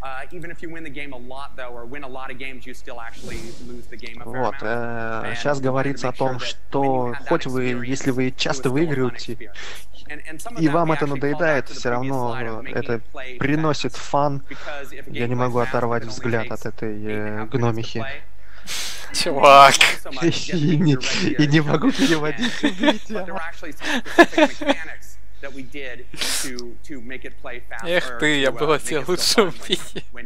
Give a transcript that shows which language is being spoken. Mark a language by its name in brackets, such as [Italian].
[English] Even if you win the game a lot, though, or win a lot of games, you still actually lose the game. [Russian] Вот, сейчас говорится о том, что хоть вы, если вы часто выигрываете, и вам это надоедает, все равно это приносит фан. Я не могу оторвать взгляд от этой гномихи. Чувак. И не могу переводить. [English] That we did to make it play faster. [Russian] Эх ты, я бы хотел лучше убить.